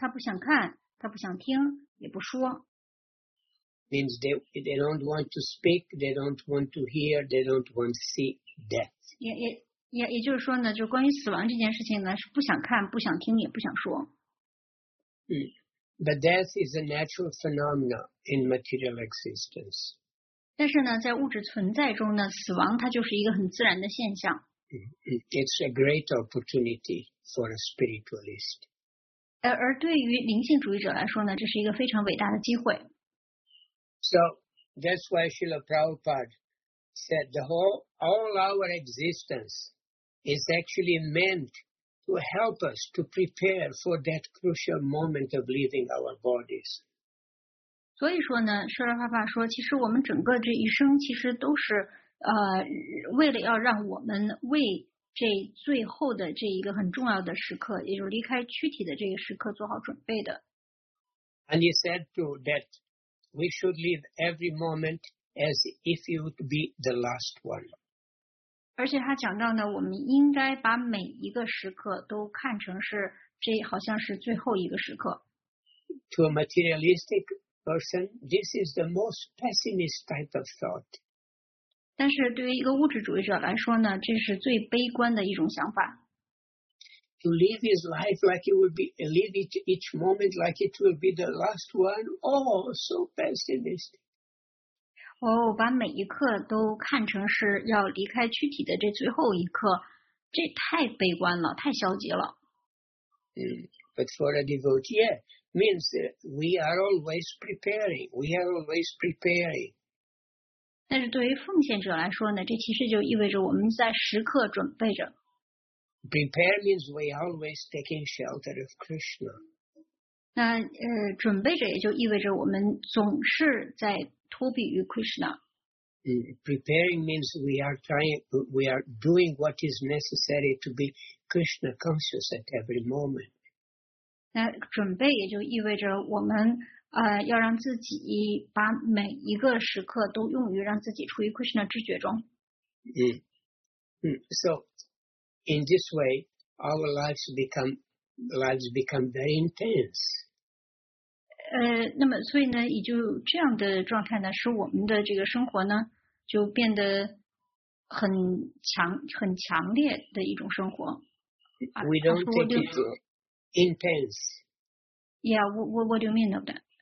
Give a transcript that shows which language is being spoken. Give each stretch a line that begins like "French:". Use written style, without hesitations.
Chinese: 他不想看，他不想听，也不说。
English: Means they don't want to speak, they don't want to hear, they don't want to see death.
Chinese: 也就是说呢，就关于死亡这件事情呢，是不想看、不想听、也不想说。
English: But death is a natural phenomenon in material existence.
Chinese: 但是呢，在物质存在中呢，死亡它就是一个很自然的现象。
English: It's a great opportunity for a spiritualist.
Chinese: 而对于灵性主义者来说呢，这是一个非常伟大的机会。
English: So that's why Srila Prabhupada said the whole all our existence is actually meant to help us to prepare for that crucial moment of leaving our bodies.
Chinese: 所以说呢，舍拉帕帕说，其实我们整个这一生其实都是为了要让我们为这最后的这一个很重要的时刻，也就是离开躯体的这个时刻做好准备的。
English: And he said too that we should live every moment as if it would be the last one.
Chinese: 而且他讲到呢，我们应该把每一个时刻都看成是这好像是最后一个时刻。
English: To a materialistic person, this is the most pessimist type of thought.
Chinese: 但是对于一个物质主义者来说呢，这是最悲观的一种想法。
English: To live his life like it would be, live each moment like it would be the last one, oh, so pessimistic.
Chinese: 哦，把每一刻都看成是要离开躯体的这最后一刻，这太悲观了，太消极了。
English: But for a devotee, yeah, means we are always preparing, we are always preparing.
Chinese: 但是对于奉献者来说呢，这其实就意味着我们在时刻准备着。
English: Prepare means we always taking shelter of Krishna.
Chinese: 那准备着也就意味着我们总是在托庇于 Krishna.
English: Preparing means we are doing what is necessary to be Krishna conscious at every moment.
Chinese: 那准备也就意味着我们。要让自己把每一个时刻都用于让自己处于 Krishna 知觉中。
English: So, in this way, our lives become very intense.
Chinese: 那么所以呢，也就这样的状态呢，使我们的这个生活呢，就变得很强很强烈的一种生活。
English: We don't take it intense. Yeah, what do you mean of that?